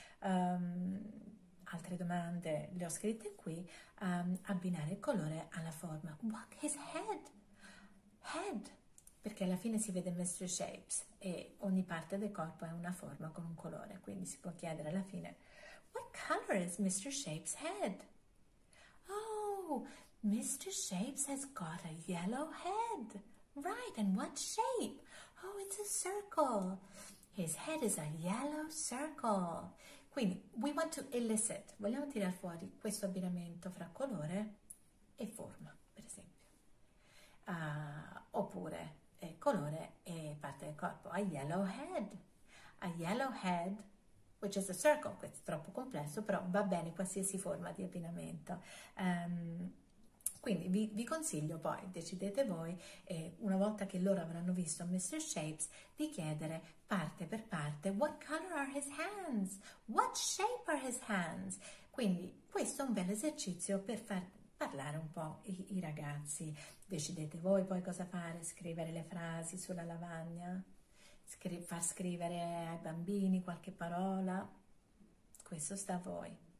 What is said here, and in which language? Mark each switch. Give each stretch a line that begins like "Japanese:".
Italian: Altre domande le ho scritte qui, abbinare il colore alla forma.
English: What is head? Head!
Italian: Perché alla fine si vede Mr. Shapes e ogni parte del corpo è una forma con un colore, quindi si può chiedere alla fine
English: What color is Mr. Shapes' head? Oh, Mr. Shapes has got a yellow head. Right, and what shape? Oh, it's a circle. His head is a yellow circle. Quindi, we want to elicit.
Italian: Vogliamo tirar fuori questo abbinamento fra colore e forma, per esempio. Oppure, colore e parte del corpo.
English: A yellow head. A yellow head. Which is a circle,
Italian: questo è troppo complesso, però va bene qualsiasi forma di abbinamento. Quindi vi consiglio poi, decidete voi, una volta che loro avranno visto Mr.
English: Shapes,
Italian: di chiedere parte per parte
English: what color are his hands? What shape are his hands?
Italian: Quindi questo è un bel esercizio per far parlare un po' i ragazzi. Decidete voi poi cosa fare, scrivere le frasi sulla lavagna, far scrivere ai bambini qualche parola. Questo sta a voi.